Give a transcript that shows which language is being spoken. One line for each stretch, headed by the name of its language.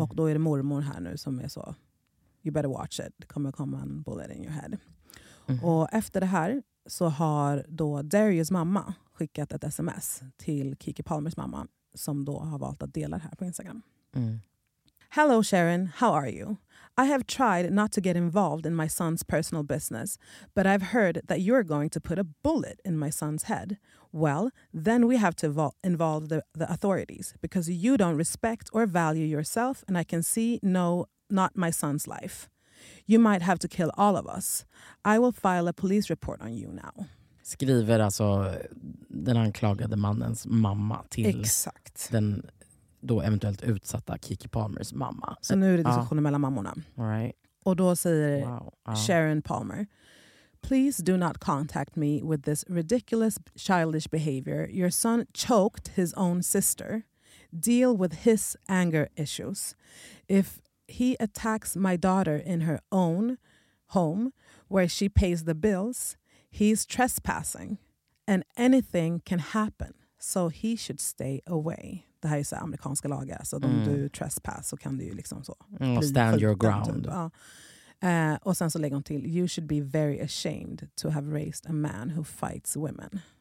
Swedish: Och då är det mormor här nu som är så,
English: you better watch it, det kommer komma en bullet in your head.
Swedish: Mm. Och efter det här så har då Darius mamma skickat ett sms till Kiki Palmers mamma, som då har valt att dela det här på Instagram. Mm.
English: Hello Sharon, how are you? I have tried not to get involved in my son's personal business, but I've heard that you're going to put a bullet in my son's head. Well, then we have to involve the authorities, because you don't respect or value yourself, and I can see no, not my son's life. You might have to kill all of us. I will file a police report on you now.
Swedish: Skriver alltså den anklagade mannens mamma till, exakt, den då eventuellt utsatta Kiki Palmers mamma. Så nu är det diskussionen mellan mammorna.
English: All right.
Swedish: Och då säger Sharon Palmer,
English: please do not contact me with this ridiculous childish behavior. Your son choked his own sister. Deal with his anger issues. If he attacks my daughter in her own home where she pays the bills, he's trespassing and anything can happen, so he should stay away.
Swedish: Det här är så amerikanska lagar, så om du
English: trespass
Swedish: så kan du ju liksom så
English: stand your ground.
Swedish: Ja.
English: Och sen så lägger hon till, you should be very ashamed to have raised a man who fights women.